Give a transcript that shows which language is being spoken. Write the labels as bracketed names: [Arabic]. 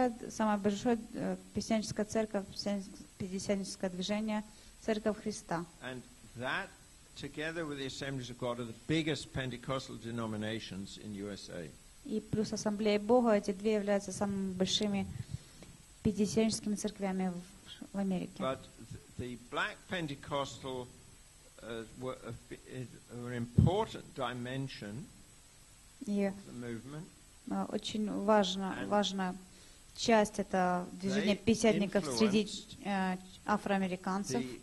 [Russian] Самая большая пятидесятническая церковь, пятидесятническое движение Церковь Христа. [English] And that together with the Assemblies of God are the biggest Pentecostal denominations in USA. [Russian] И плюс Ассамблея Бога, эти две являются самыми большими пятидесятническими церквями в Америке. [English] But the black Pentecostal were an important dimension of the movement. [Russian] Очень важная часть это движение пятидесятников среди афроамериканцев.